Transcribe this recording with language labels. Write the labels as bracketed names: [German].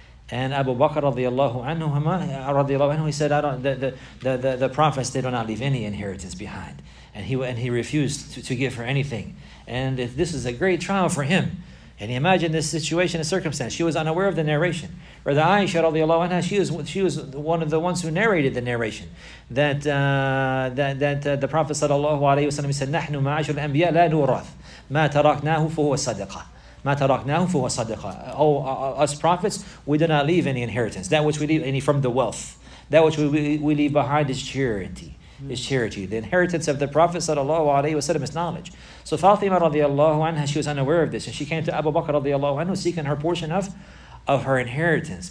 [English] And Abu Bakr radiallahu anhu, he said, the prophets, they do not leave any inheritance behind. And he refused to give her anything. And if this is a great trial for him. And imagine this situation and circumstance. She was unaware of the narration. Or the Aisha radiallahu anha, she was one of the ones who narrated the narration. That the Prophet sallallahu alayhi wa sallam said, [Arabic] نَحْنُ مَعَشُ الْأَنْبِيَا لَا نُورَثْ مَا تَرَكْنَاهُ فُهُوَ صَدِقَةً مَا تَرَكْنَاهُ فُهُوَ صَدِقَةً. [English] Oh, us prophets, we do not leave any inheritance. That which we leave any from the wealth. That which we leave behind is charity. Is charity. The inheritance of the Prophet sallallahu alayhi wa sallam is knowledge. So Fatima radiallahu anha, she was unaware of this, and she came to Abu Bakr radiallahu anhu seeking her portion of her inheritance.